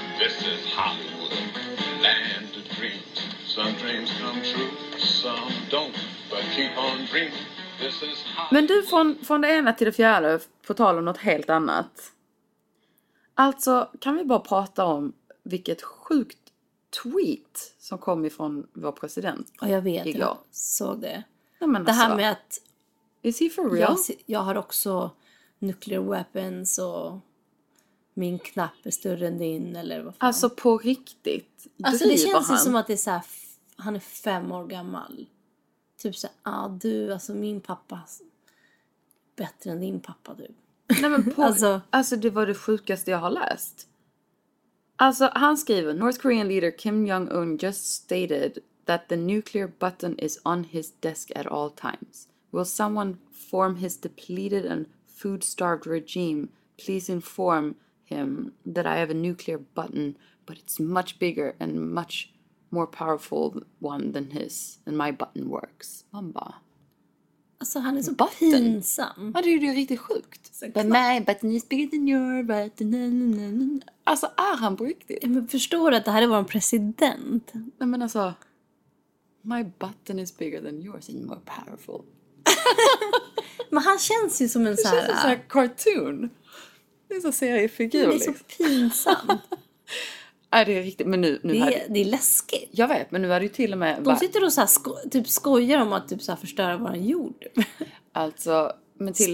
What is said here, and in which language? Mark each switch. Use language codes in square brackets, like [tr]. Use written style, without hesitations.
[en] This is Hollywood, land of dreams. Some dreams come true, some don't, but keep on dreaming. This is Hollywood. [sv] Men du, från det ena till det fjärde, får tala om något helt annat. Alltså, kan vi bara prata om vilket sjukt tweet som kom ifrån vår president igår? Ja, jag vet. Igår. Jag såg det. Ja, men det alltså, här med att... [en] Is he for real? [sv] Jag har också [en] nuclear weapons [sv] och min knapp är större än din, eller vad fan. Alltså, på riktigt? Alltså, det känns som att det är så här, han är 5 år gammal. Typ så här, du, alltså min pappa bättre än din pappa, du. Nej, men alltså det var det sjukaste jag har läst. Alltså han skriver, [en] North Korean leader Kim Jong-un just stated that the nuclear button is on his desk at all times. Will someone form his depleted and food-starved regime please inform him that I have a nuclear button, but it's much bigger and much more powerful one than his, and my button works. Mamba. [sv] Alltså han är så button. Pinsam. Ja, det är ju riktigt sjukt. [en] But my button is bigger than your button. [sv] Alltså är han på riktigt? Ja, men förstår du att det här är vår president? Nej, men alltså. [en] My button is bigger than yours and more powerful. [sv] Men han känns ju som en så här. Det känns som en sån här cartoon. Det är så seriefigur. Det är så pinsamt. Är det riktigt? Men nu det, det är läskigt. Jag vet, men nu är det ju till och med... De sitter och så här typ skojar om att typ så här förstöra våran jord. Alltså, men till...